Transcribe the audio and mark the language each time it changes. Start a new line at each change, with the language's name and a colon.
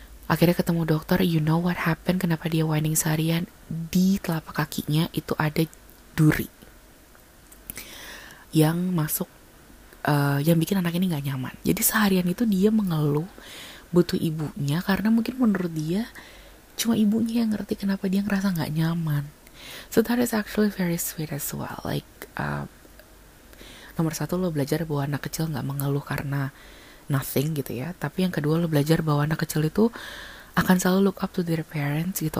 Indonesian: Akhirnya ketemu dokter,
English: you know what happened,
Indonesian: kenapa dia whining seharian, di telapak kakinya itu ada duri yang masuk, yang bikin anak ini gak nyaman. Jadi seharian itu dia mengeluh butuh ibunya, karena mungkin menurut dia cuma ibunya yang ngerti kenapa dia ngerasa gak nyaman.
English: So that is actually very sweet as well.
Indonesian: Like, nomor satu lo belajar bahwa anak kecil gak mengeluh karena nothing gitu ya. Tapi yang kedua lo belajar bahwa anak kecil itu akan selalu
English: look up to their parents
Indonesian: gitu.